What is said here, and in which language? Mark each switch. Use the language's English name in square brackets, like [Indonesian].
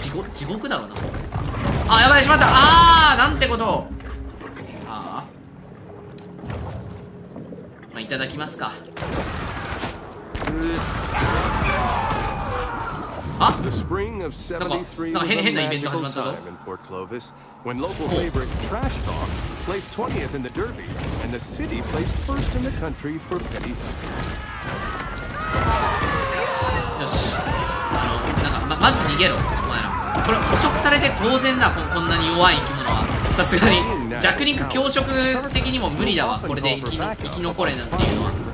[Japanese] 地獄だろうな。あ、やばい、しまった。あー、なんてこと。あー、まあ、いただきますか。うーっす。あ、なんか変なイベント始まったぞ。 [English] When local favorite Trash Talk placed 20th in the Derby, and the city placed first in the country for petty theft. [Japanese] よし、なんかまず逃げろ、お前ら。これ捕食されて当然だ、こんなに弱い生き物は。さすがに弱肉強食的にも無理だわ、これで生き残れなんていうのは。